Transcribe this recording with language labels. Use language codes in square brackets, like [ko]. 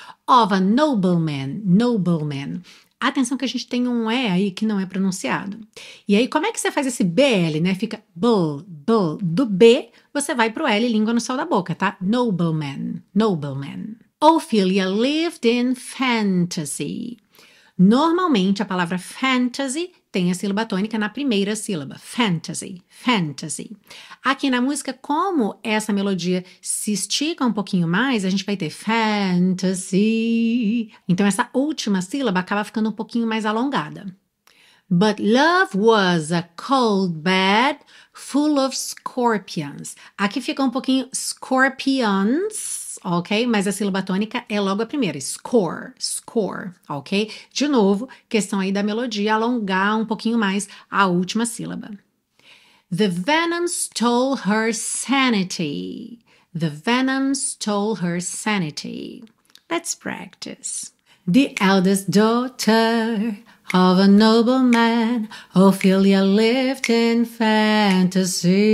[en] Of a nobleman. [pt] Atenção que a gente tem um E aí que não é pronunciado. E aí, como é que você faz esse BL, né? Fica bull. Do B, você vai pro L, língua no céu da boca, tá? [en] Nobleman. Ophelia lived in fantasy. [pt] Normalmente, a palavra fantasy tem a sílaba tônica na primeira sílaba. Fantasy. Aqui na música, como essa melodia se estica um pouquinho mais, a gente vai ter fantasy. Então, essa última sílaba acaba ficando um pouquinho mais alongada. [en] But love was a cold bed full of scorpions. [pt] Aqui fica um pouquinho scorpions, ok? Mas a sílaba tônica é logo a primeira, score, score, ok? De novo, questão aí da melodia, alongar um pouquinho mais a última sílaba. [en] The venom stole her sanity. The venom stole her sanity. Let's practice. The eldest daughter of a nobleman, Ophelia lived in fantasy.